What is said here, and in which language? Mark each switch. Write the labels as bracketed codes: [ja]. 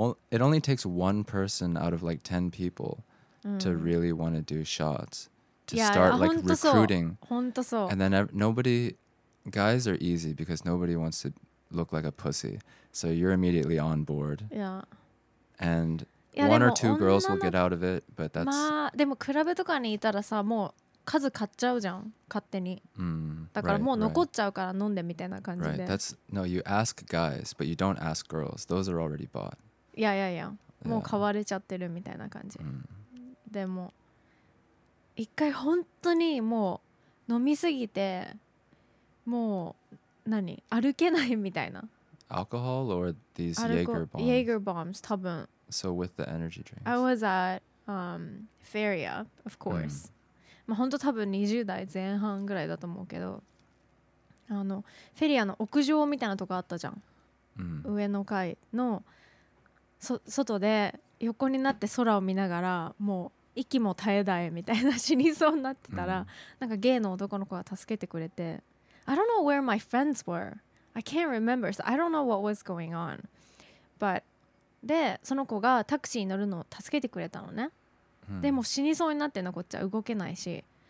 [en] It only takes one person out of like 10 people to really want to do shots. To start like recruiting. [ja] 本当そう。 [en] And then nobody... Guys are easy because nobody wants to look like a pussy. So you're immediately on board. Yeah. And yeah, one or two girls will get out of it, but that's... [ja] まあ、でもクラブとかにいたらさ、もう数買っちゃうじゃん、勝手に。だからもう残っちゃうから飲んでみたいな感じで。 [en] Right, that's... No, you ask guys, but you don't ask girls. Those are already bought. Yeah, yeah, yeah. [ja] もう買われちゃってるみたいな感じ。でも、一回本当にもう飲みすぎて、もう何、歩けないみたいな。 [en] Alcohol or these Jaeger bombs? Jaeger bombs, [ja] 多分. [en] So with the energy drinks. I was at Feria, of course. [ja] まあ本当多分20代前半ぐらいだと思うけど、あのフェリアの屋上みたいなとこあったじゃん。上の階の外で横になって空を見ながら、もう息も絶え絶えみたいな死にそうになってたら、なんかゲイの男の子が助けてくれて、 [en] I don't know where my friends were. I can't remember, so I don't know what was going on. But, [ja] で、その子がタクシーに乗るのを助けてくれたのね。でも死にそうになってんの、こっちは動けないし。